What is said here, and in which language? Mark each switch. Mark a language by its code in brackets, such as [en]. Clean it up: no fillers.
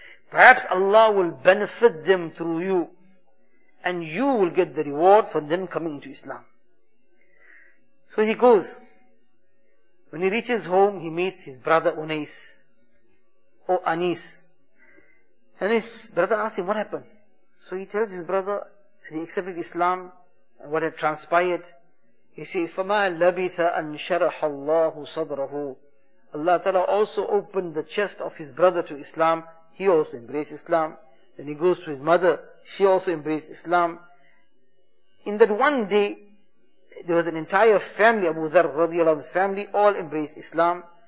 [en] Perhaps Allah will benefit them through you, and you will get the reward for them coming into Islam. So he goes. When he reaches home, he meets his brother Unais, or Anis. And his brother asks him, what happened? So he tells his brother that he accepted Islam, and what had transpired. He says, [ar] فَمَا لَبِثَ أَن شَرَحَ اللَّهُ صَدْرَهُ. [en] Allah Ta'ala also opened the chest of his brother to Islam. He also embraced Islam. Then he goes to his mother. She also embraced Islam. In that one day, there was an entire family, Abu Dharr radiallahu anhu's family, all embraced Islam.